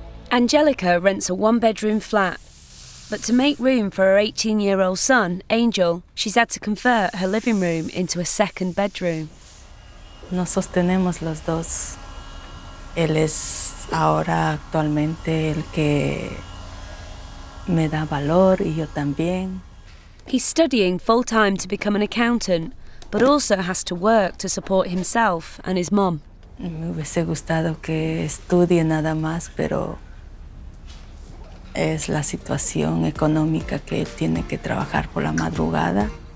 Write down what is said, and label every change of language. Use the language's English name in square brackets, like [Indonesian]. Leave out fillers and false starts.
[English] Angelica rents a one-bedroom flat, But to make room for her 18-year-old son, Angel, she's had to convert her living room into a second bedroom. [Spanish] Nos sostenemos los dos. Él es ahora actualmente el que me da valor y yo también. [English] He's studying full-time to become an accountant, but also has to work to support himself and his mom. [Spanish] Me hubiese gustado que estudie nada más, pero es la situación económica que tiene que trabajar por la madrugada.